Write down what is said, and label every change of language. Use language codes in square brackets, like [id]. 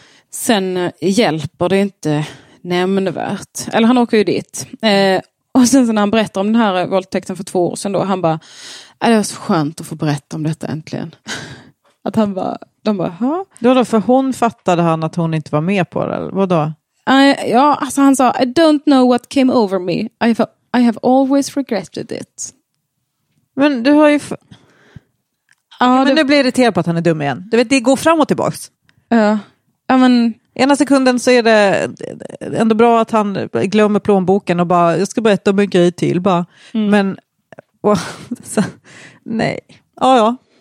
[sv] Sen hjälper det inte nämnvärt. Eller han åker ju dit. Och sen när han berättar om den här våldtäkten för 2 år sedan då, han bara, är det så skönt att få berätta om detta äntligen. Att han bara, de bara, ha? Det var då för hon fattade han att hon inte var med på det. Vadå? Ja, alltså han sa, [en] I don't know what came over me. I have always regretted it. [sv] Men du har ju... Men nu blir jag irriterad på att han är dum igen. Du vet, det går fram och tillbaks. Ja, men ena sekunden så är det ändå bra att han glömmer plånboken och bara, jag ska berätta om en grej till bara. Men nej. Ja.